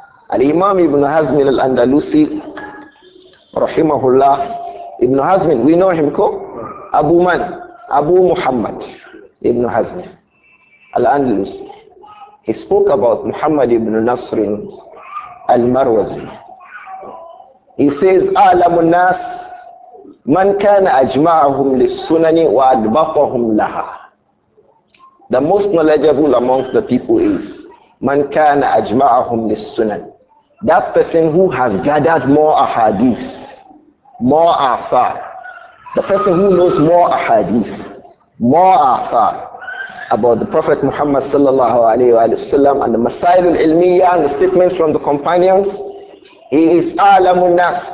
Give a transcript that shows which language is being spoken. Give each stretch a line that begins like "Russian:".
English: Al-Imam ibn Hazm al-Andalusi, Rahimahullah. Ibn Hazm, we know him, ko? Abu Man, Abu Muhammad ibn Hazm al-Andalusi. He spoke about Muhammad ibn Nasr al-Marwazi. He says,
Arabic: أَعْلَمُ النَّاسِ مَنْ كَانَ أَجْمَعَهُمْ لِلسُّنَنِ وَأَدْبَقَهُمْ لَهَا.
English: The most knowledgeable amongst the people is
Arabic: مَنْ كَانَ أَجْمَعَهُمْ لِلسُّنَنِ.
English: That person who has gathered more ahadith, more athar, the person who knows more ahadith, more athar about the Prophet Muhammad sallallahu alayhi wa sallam and the Masail al-Ilmiyyah and the statements from the companions, he is A'lamu Nas.